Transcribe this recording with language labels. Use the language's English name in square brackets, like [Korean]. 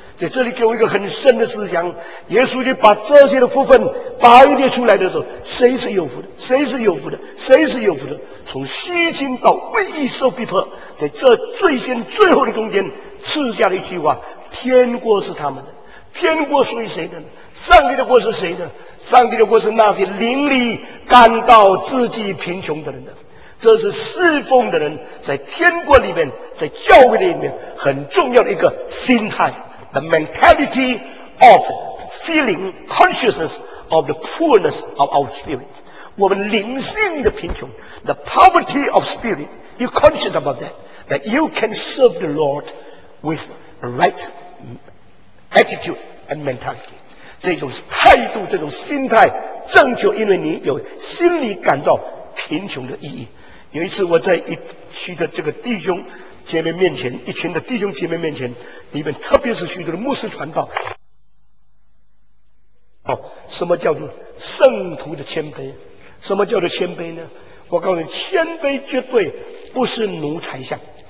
[Chinese] 在这里给我一个很深的思想，耶稣就把这些的福分排列出来的时候，谁是有福的，谁是有福的，谁是有福的，从虚心到为义受逼迫，在这最先最后的中间赐下了一句话，天国是他们的。天国属于谁的呢？上帝的国是谁的？上帝的国是那些灵里感到自己贫穷的人的。这是侍奉的人在天国里面，在教会里面很重要的一个心态， [English] The mentality of feeling consciousness of the poorness of our spirit， [Chinese] 我们灵性的贫穷， [English] The poverty of spirit， you conscious about that， that you can serve the Lord with right attitude and mentality， [Chinese] 这种态度这种心态正确，因为你有心里感到贫穷的意义。有一次我在一区的这个弟兄姐妹面前，一群的弟兄姐妹面前，里面特别是许多的牧师传道，什么叫做圣徒的谦卑？什么叫做谦卑呢？我告诉你，谦卑绝对不是奴才相。